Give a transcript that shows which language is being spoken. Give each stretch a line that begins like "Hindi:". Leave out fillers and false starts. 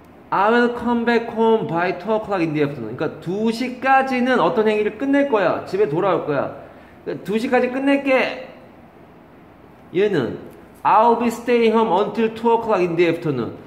English: I will come back home by 2 o'clock in the afternoon.
Korean: 그러니까 2시까지는 어떤 행위를 끝낼 거야. 집에 돌아올 거야. 2시까지 끝낼게. 얘는
English: I'll be staying home until 2 o'clock in the afternoon.